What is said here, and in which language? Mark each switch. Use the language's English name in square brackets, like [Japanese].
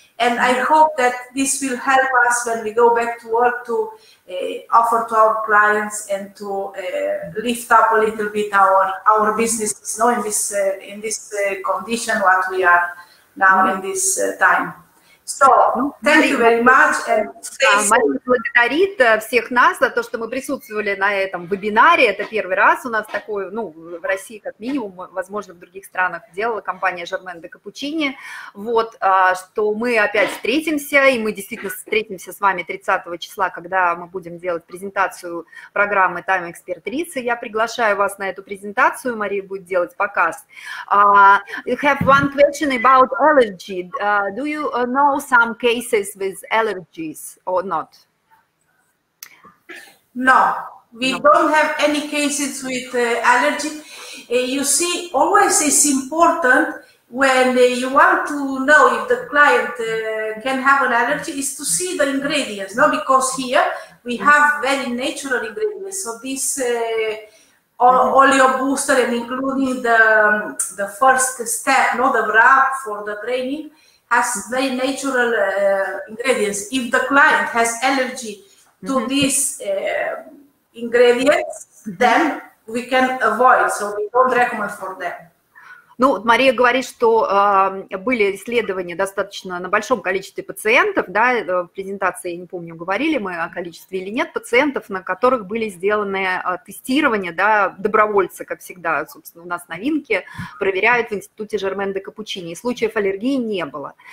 [English] And I hope that this will help us when we go back to work to offer to our clients and to lift up a little bit our businesses, no, in this condition what we are now in this time. [Russian] Мария благодарит всех нас за то, что мы присутствовали на этом вебинаре. Это первый раз у нас такое, ну, в России как минимум, возможно, в других странах делала компания Germaine de Cappuccini. Вот, что мы опять встретимся, и мы действительно встретимся с вами 30 числа, когда мы будем делать презентацию программы Time Expertrice. Я приглашаю вас на эту презентацию, Мария будет делать показ. [English] You have one question about allergy. Do you know some cases with allergies or not? No, we don't have any cases with allergy. You see, always it's important when you want to know if the client can have an allergy is to see the ingredients, no? Because here we have very natural ingredients. So this oleo booster and including the first step, no, the wrap for the training, has very natural ingredients. If the client has allergy to these ingredients, then we can avoid, so we don't recommend for them. [Russian] Ну, Мария говорит, что были исследования достаточно на большом количестве пациентов, да, в презентации, я не помню, говорили мы о количестве или нет, пациентов, на которых были сделаны тестирования, да, добровольцы, как всегда, собственно, у нас новинки, проверяют в институте Germaine de Cappuccini, и случаев аллергии не было.